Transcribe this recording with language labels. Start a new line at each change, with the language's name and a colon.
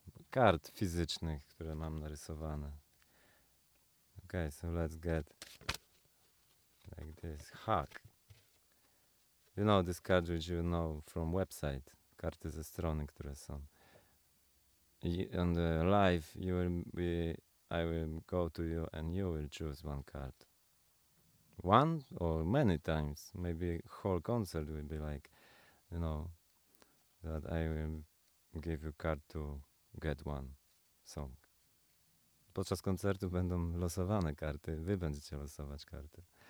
Polish: Kart fizycznych, które mam narysowane.
English: Okay, so let's get like this hack. You know this card which you know from website.
Polish: Karty ze strony, które są.
English: On the live you will be, I will go to you and you will choose one card. One or many times, maybe whole concert will be like, you know, that I will give you card to get one song.
Polish: Podczas koncertu będą losowane karty, wy będziecie losować karty.